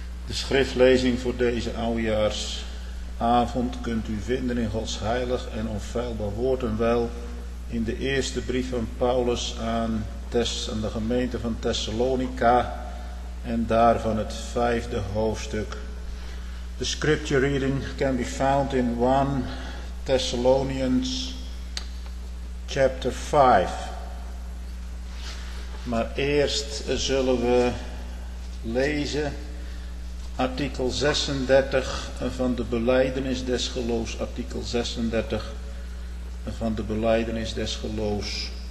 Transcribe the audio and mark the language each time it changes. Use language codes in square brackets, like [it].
[nl] Schriftlezing voor deze oudejaarsavond kunt u vinden in Gods heilig en onfeilbaar woord en wel in de eerste brief van Paulus aan de gemeente van Thessalonica en daarvan het vijfde hoofdstuk. [en] The scripture reading can be found in 1 Thessalonians chapter 5. [nl] Maar eerst zullen we lezen artikel 36 van de belijdenis des geloofs. Artikel 36 van de belijdenis des geloofs.